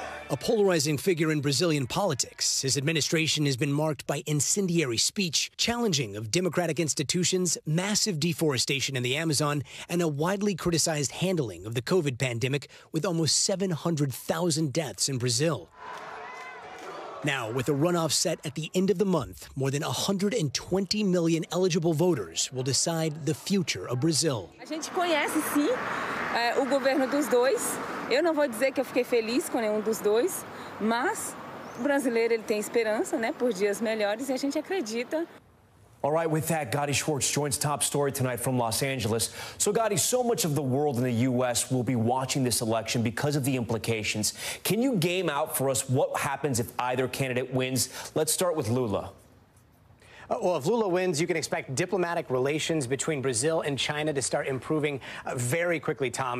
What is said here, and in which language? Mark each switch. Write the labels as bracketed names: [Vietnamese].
[English] A polarizing figure in Brazilian politics, his administration has been marked by incendiary speech, challenging of democratic institutions, massive deforestation in the Amazon, and a widely criticized handling of the COVID pandemic with almost 700,000 deaths in Brazil. Now, with a runoff set at the end of the month, more than 120 million eligible voters will decide the future of Brazil. [Portuguese] A gente conhece, sim, o governo dos dois. Eu não vou dizer que eu fiquei feliz com nenhum dos dois, mas o brasileiro, ele tem esperança, né, por dias melhores, e a gente acredita. [English] All right, with that, Gadi Schwartz joins Top Story tonight from Los Angeles. So, Gadi, so much of the world in the U.S. will be watching this election because of the implications. Can you game out for us what happens if either candidate wins? Let's start with Lula. Well, if Lula wins, you can expect diplomatic relations between Brazil and China to start improving very quickly, Tom.